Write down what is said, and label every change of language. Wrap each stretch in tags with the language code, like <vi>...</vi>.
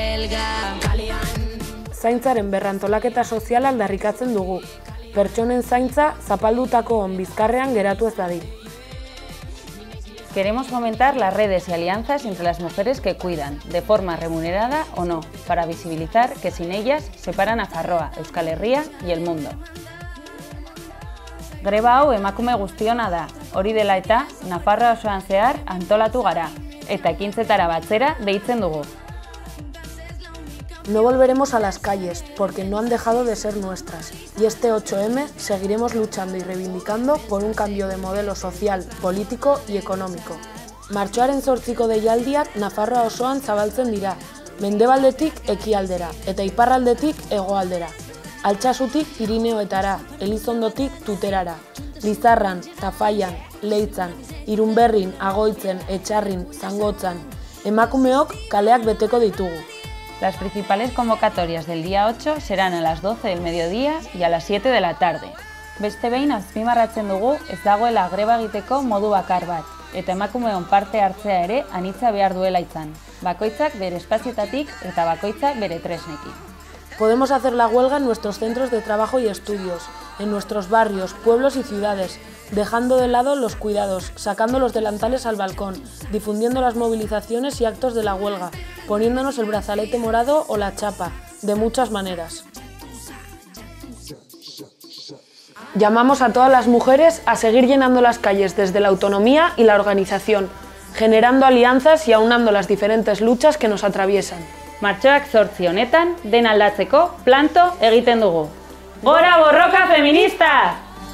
<eu>Zaintzaren berrantolaketa soziala aldarrikatzen dugu. Pertsonen zaintza zapaldutako onbizkarrean geratu ez dadin.</eu> <es>Queremos fomentar las redes y alianzas entre las mujeres que cuidan, de forma remunerada o no, para visibilizar que sin ellas se paran Nafarroa, Euskal Herria y el mundo.</es> <eu>Greba hau emakume guztiona da, hori dela eta Nafarroa osoan zehar antolatu gara, eta ekintzetara batzera deitzen dugu.</eu> <es>No volveremos a las calles porque no han dejado de ser nuestras. Y este 8M seguiremos luchando y reivindicando por un cambio de modelo social, político y económico.</es> <eu>Martxoaren 8ko deialdiak Nafarroa osoan zabaltzen dira. Mendebaldetik ekialdera eta iparraldetik hegoaldera. Altsasutik Pirineoetara, Elizondotik Tuterara. Lizarran, Tafaian, Leitzan, Irunberrin, Agoitzen, Etxarrin, Zangotzan. Emakumeok kaleak beteko ditugu.</eu> <es>Las principales convocatorias del día 8 serán a las 12 del mediodía y a las 7 de la tarde.</es> <eu>Beste behin azpimarratzen dugu ez dagoela greba egiteko modu bakar bat, eta emakumeon parte hartzea ere anitza behar duela izan, bakoitzak bere espazietatik eta bakoitzak bere tresnekin.</eu> <es>Podemos hacer la huelga en nuestros centros de trabajo y estudios, en nuestros barrios, pueblos y ciudades, dejando de lado los cuidados, sacando los delantales al balcón, difundiendo las movilizaciones y actos de la huelga, poniéndonos el brazalete morado o la chapa, de muchas maneras. Llamamos a todas las mujeres a seguir llenando las calles desde la autonomía y la organización, generando alianzas y aunando las diferentes luchas que nos atraviesan.</es> <eu>Martxoak 8 honetan, dena aldatzeko, planto egiten dugu. ¡Gora borroka feminista!</eu>